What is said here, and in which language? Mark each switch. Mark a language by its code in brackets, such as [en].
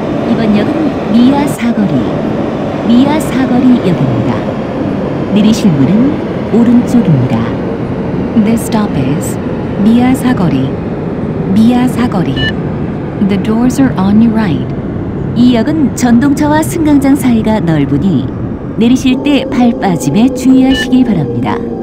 [ko] 4번역은 미아 사거리. 미아 사거리역입니다. 내리실 문은 오른쪽입니다. [en] The stop is 미아 사거리. [ko] 미아 사거리. [en] The doors are on your right. [ko] 이 역은 전동차와 승강장 사이가 넓으니 내리실 때 발 빠짐에 주의하시기 바랍니다.